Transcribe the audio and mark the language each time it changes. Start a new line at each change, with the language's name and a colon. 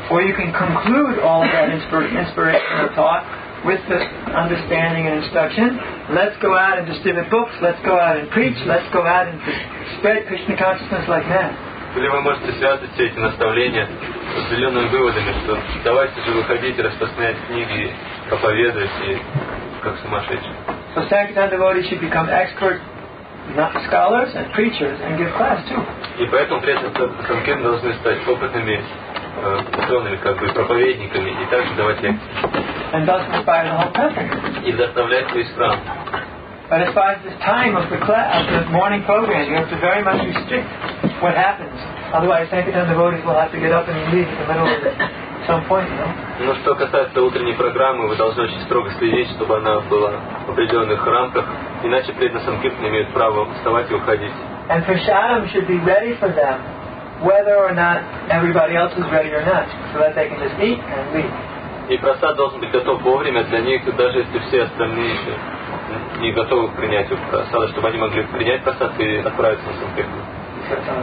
English: Or you can conclude all that inspirational talk with the understanding and instruction. Let's go out and distribute books, let's go out and preach, let's go out and spread Krishna consciousness like that.
Russian: Или вы можете связать все эти наставления с определенными выводами, что давайте же выходить, распространять книги, проповедовать и как сумасшедшие.
English: So Sankirtan devotees should become expert scholars and preachers and give class too.
Russian: И поэтому преданные санкиртаны должны стать опытными учеными, как бы проповедниками, и также давать лекции. И вдохновлять свои страны.
English: But as far as the time of the class, of the morning program, you have to very much restrict what happens. Otherwise, Sankirtan devotees will have to get up and leave in the middle of it at some point, you know?
Russian: Но что касается утренней программы, вы должны очень строго следить, чтобы она была в определенных рамках, иначе преданные санкиртаны имеют право вставать и уходить.
English: And prasadam should be ready for them, whether or not everybody else is ready or not, so that they can just eat and leave.
Russian: И прасад должен быть готов вовремя для них, даже если все остальные еще не готовы к принятию прасада, чтобы они могли принять прасад и отправиться на санкиртан.